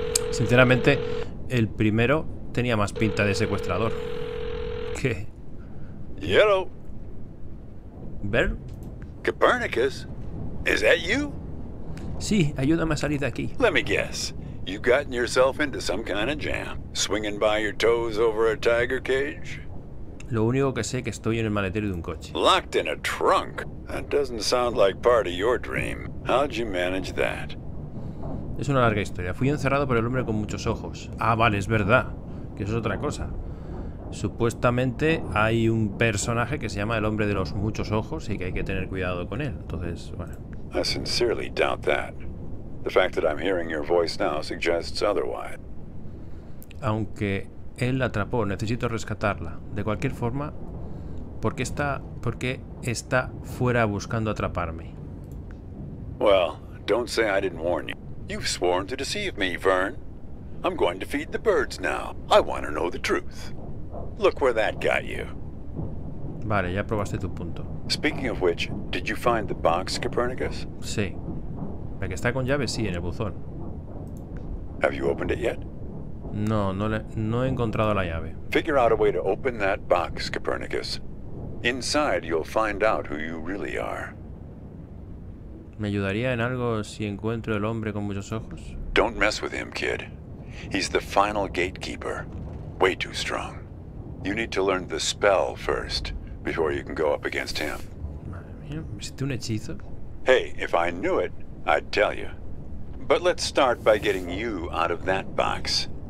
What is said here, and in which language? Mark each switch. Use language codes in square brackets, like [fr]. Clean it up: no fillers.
[es] Sinceramente, el primero tenía más pinta de secuestrador. ¿Qué? [en] Hello. [es] ¿Ver? [en] Copernicus, is that you? [es] Sí, ayúdame a salir de aquí. [en] Let me guess. You've gotten yourself into some kind of jam, swinging by your toes over a tiger cage. [es] Lo único que sé es que estoy en el maletero de un coche. [en] Locked in a trunk. That doesn't sound like part of your dream. How'd you manage that? [es] Es una larga historia. Fui encerrado por el hombre con muchos ojos. Ah, vale, es verdad. Que eso es otra cosa. Supuestamente hay un personaje que se llama el hombre de los muchos ojos y que hay que tener cuidado con él. Entonces, bueno. [en] I sincerely doubt that. The fact that I'm hearing your voice now suggests otherwise. [es] Aunque él la atrapó, necesito rescatarla. De cualquier forma, ¿por qué está fuera buscando atraparme? [en] Well, don't say I didn't warn you. You've sworn to deceive me, Vern. I'm going to feed the birds now. I want to know the truth. Look where that got you. [es] Vale, ya probaste tu punto. [en] Speaking of which, did you find the box, Copernicus? [es] Sí. La que está con llave, sí, en el buzón. [en] Have you opened it yet? [es] No, no he encontrado la llave. [en] Figure out a way to open that box, Copernicus. Inside, you'll find out who you really are. [es] ¿Me ayudaría en algo si encuentro el hombre con muchos ojos? [en] Don't mess with him, kid. He's the final gatekeeper. Way too strong. You need to learn the spell first, before you can go up against him. [es] ¿Existe un hechizo? [en] Hey, if I knew it, I'd tell you. But let's start by getting you out of that box.